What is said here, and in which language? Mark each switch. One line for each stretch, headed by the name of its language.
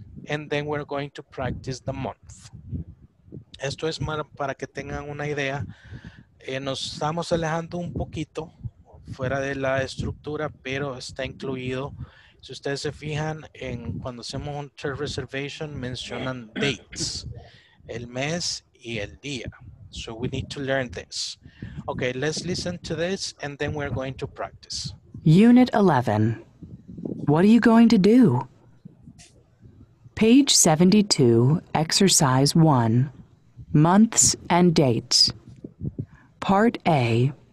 English: And then we're going to practice the month.
Spanish: Esto es para que tengan una idea. Nos estamos alejando un poquito fuera de la estructura, pero está incluido. Si ustedes se fijan, en cuando hacemos un
English: third reservation,
Spanish: mencionan dates, el mes y el día.
English: So we need to learn this. Okay, let's listen to this and then we're going to practice. Unit 11. What are you going to do? Page 72, exercise 1. Months and dates. Part A.